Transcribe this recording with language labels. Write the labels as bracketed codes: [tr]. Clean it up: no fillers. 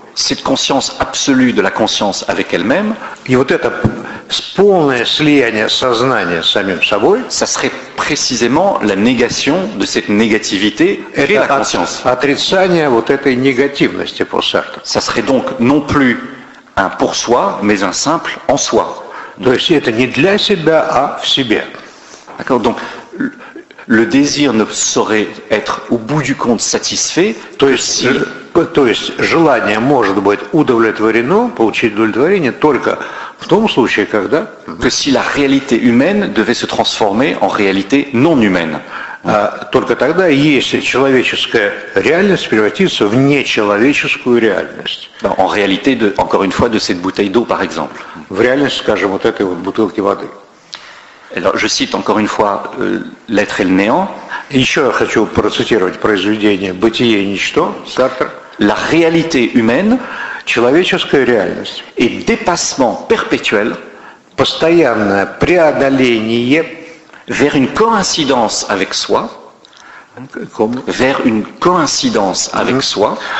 [fr] Cette conscience absolue de la conscience avec elle-même. [ru] И вот это полное слияние сознания с самим собой. [fr] Ça serait précisément la négation de cette négativité et la conscience. [ru] Отрицание вот этой негативности по Сартру. [fr] Ça serait donc non plus un pour soi, mais un simple en soi. [ru] То есть это не для себя, а в себе. [fr] D'accord. Donc le désir ne saurait être au bout du compte satisfait. [ru] То есть желание может быть удовлетворено, получить удовлетворение только в том случае, когда [fr] que si la réalité humaine devait se transformer en réalité non humaine. [ru] Только тогда, если человеческая реальность превратится в нечеловеческую реальность. [fr] En réalité de, encore une fois, de cette bouteille d'eau, par exemple. [ru] В реальность, скажем, вот этой вот бутылки воды. [fr] Alors, je cite encore une fois l'être et le néant. [ru] Еще я хочу процитировать произведение «Бытие и ничто» Сартра. [fr] La réalité humaine, [ru] человеческая реальность, [fr] et dépassement perpétuel, [ru] постоянное преодоление, [fr] vers une coïncidence avec soi, comme? Vers une coïncidence avec soi,